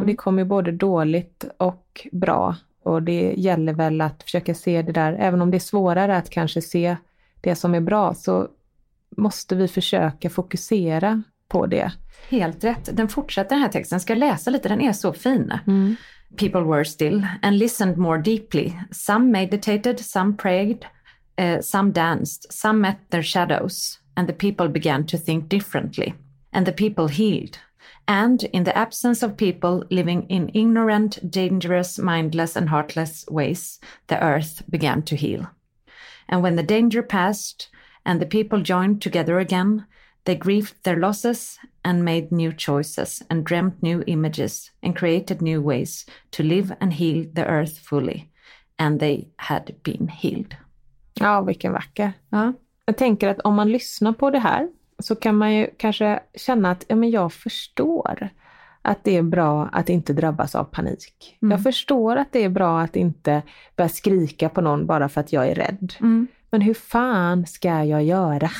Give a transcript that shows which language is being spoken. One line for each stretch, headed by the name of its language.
Swedish: Och det kommer ju både dåligt och bra. Och det gäller väl att försöka se det där, även om det är svårare att kanske se det som är bra, så måste vi försöka fokusera på det. Helt rätt. Den fortsätter, den här texten. Ska jag läsa lite? Den är så fin. Mm.
English: "People were still and listened more deeply. Some meditated, some prayed, some danced, some met their shadows. And the people began to think differently. And the people healed. And in the absence of people living in ignorant, dangerous, mindless and heartless ways, the earth began to heal. And when the danger passed and the people joined together again, they grieved their losses and made new choices and dreamt new images and created new ways to live and heal the earth fully. And they had been healed."
Swedish: Ja, vilken vacker. Ja. Jag tänker att om man lyssnar på det här så kan man ju kanske känna att ja, men jag förstår att det är bra att inte drabbas av panik. Mm. Jag förstår att det är bra att inte börja skrika på någon bara för att jag är rädd. Mm. Men hur fan ska jag göra?